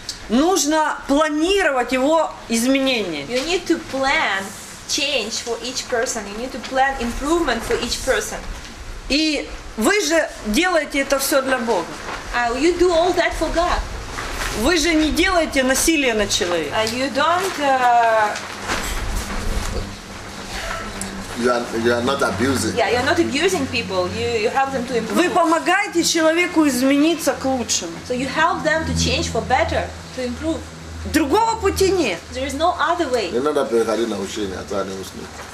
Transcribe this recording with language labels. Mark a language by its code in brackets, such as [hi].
[ru] Нужно планировать его изменения. [en] You need to plan change for each person. You need to plan improvement for each person. [ru] И вы же делаете это все для Бога. [en] You do all that for God. [ru] Вы же не делаете насилие на человека. [en] You don't you are not abusing. Yeah, you're not abusing people. You help them to improve. [ru] Вы помогаете человеку измениться к лучшему. [en] So you help them to change for better, to improve. [ru] Другого пути нет. [en] There is no other way. [ru] Не надо переходить на учение, а то они уснут.